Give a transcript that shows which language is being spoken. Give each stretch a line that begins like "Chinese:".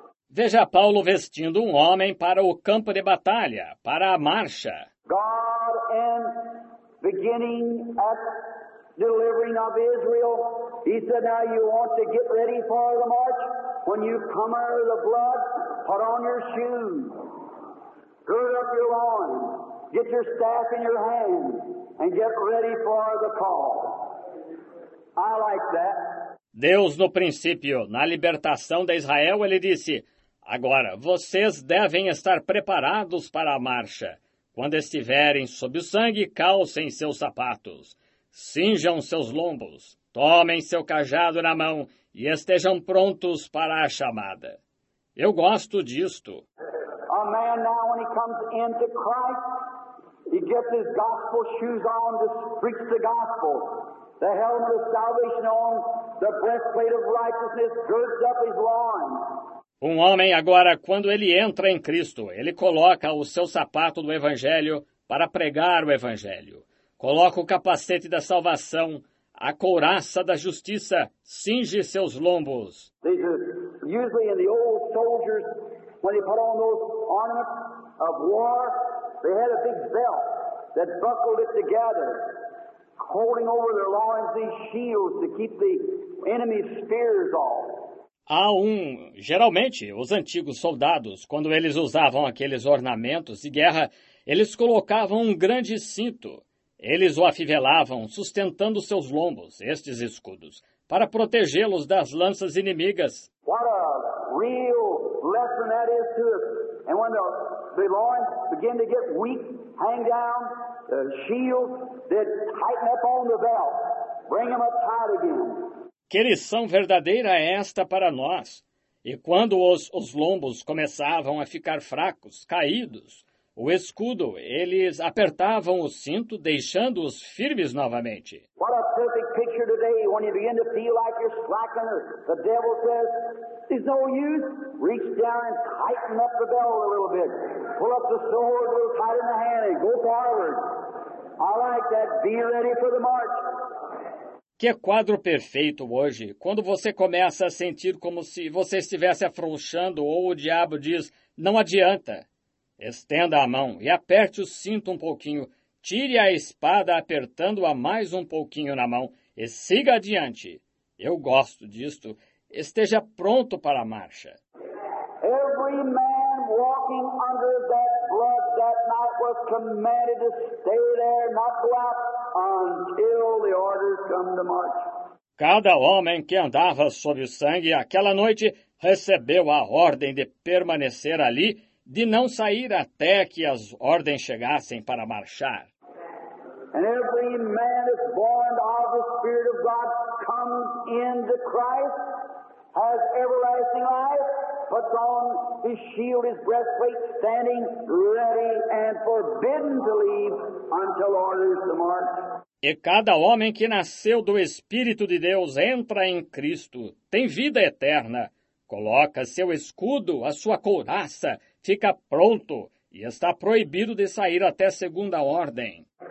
Portuguese: Veja Paulo vestindo um homem para o campo de batalha, para a marcha.
English: God and beginning at delivering of Israel. He said, now you want to get ready for the march. When you come out of the blood, put on your shoes, gird up your loins, get your staff in your hand, and get ready for the call. I like that.
Portuguese: Deus, no princípio, na libertação de Israel, ele disse, agora, vocês devem estar preparados para a marcha. Quando estiverem sob o sangue, calcem seus sapatos. Cinjam seus lombos, tomem seu cajado na mão e estejam prontos para a chamada. Eu gosto disto.
English: A man now when he comes into Christ, he gets his gospel shoes on to preach the gospel. The helmet of salvation on, the breastplate of righteousness girds up his loins.
Portuguese: Um homem agora, quando ele entra em Cristo, ele coloca o seu sapato do evangelho para pregar o evangelho. Coloca o capacete da salvação, a couraça da justiça, cinge seus lombos.
English: These are usually in the old soldiers, when they put on those ornaments of war, they had a big belt that buckled it together, holding over their loins these shields to keep the enemy's spears off.
Portuguese: Geralmente, os antigos soldados, quando eles usavam aqueles ornamentos de guerra, eles colocavam um grande cinto. Eles o afivelavam, sustentando seus lombos, estes escudos, para protegê-los das lanças inimigas.
English: What a real lesson that is to us. And when the loins begin to get weak, hang down, the shield, then tighten up on the belt. Bring them up tight again.
Portuguese: Que lição verdadeira é esta para nós? E quando os lombos começavam a ficar fracos, caídos, o escudo, eles apertavam o cinto, deixando-os firmes novamente.
English: What a perfect picture today when you begin to feel like you're slacking. The devil says, it's no use. Reach down and tighten up the belt a little bit. Pull up the sword a little tight in the hand and go forward. I like that. Be ready for the march.
Portuguese: Que quadro perfeito hoje, quando você começa a sentir como se você estivesse afrouxando ou o diabo diz, não adianta. Estenda a mão e aperte o cinto um pouquinho. Tire a espada apertando-a mais um pouquinho na mão e siga adiante. Eu gosto disto. esteja pronto para a marcha.
English: Every man walking under that blood that night was commanded to stay there, not go out until the orders come to march.
Portuguese: Cada homem que andava sob o sangue aquela noite recebeu a ordem de permanecer ali, de não sair até que as ordens chegassem para marchar.
English: And every man is born of the Spirit of God comes into Christ, has everlasting life, puts on his shield, his breastplate, standing ready and forbidden to leave until orders to march.
Portuguese: E cada homem que nasceu do Espírito de Deus entra em Cristo, tem vida eterna, coloca seu escudo, a sua couraça, fica pronto e está proibido de sair até segunda ordem.